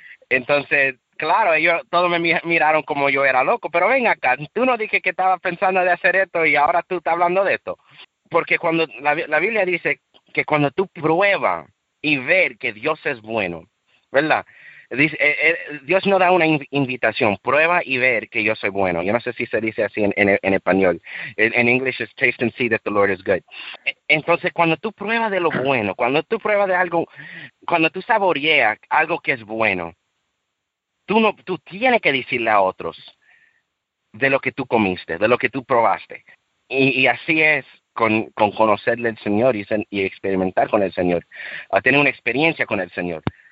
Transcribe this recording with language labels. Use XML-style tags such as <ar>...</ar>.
<es>Entonces, claro, ellos todos me miraron como yo era loco, pero ven acá, tú no dije que estabas pensando de hacer esto y ahora tú estás hablando de esto. Porque cuando la Biblia dice que cuando tú pruebas y ver que Dios es bueno, ¿verdad? Dice, Dios no da una invitación, prueba y ver que yo soy bueno. Yo no sé si se dice así en español.</es> <en>En English is taste and see that the Lord is good.</en> <es>Entonces, cuando tú pruebas de lo bueno, cuando tú pruebas de algo, cuando tú saboreas algo que es bueno, tú tienes que decirle a otros de lo que tú comiste, de lo que tú probaste. Y así es con conocerle al Señor y experimentar con el Señor, tener una experiencia con el Señor.</es>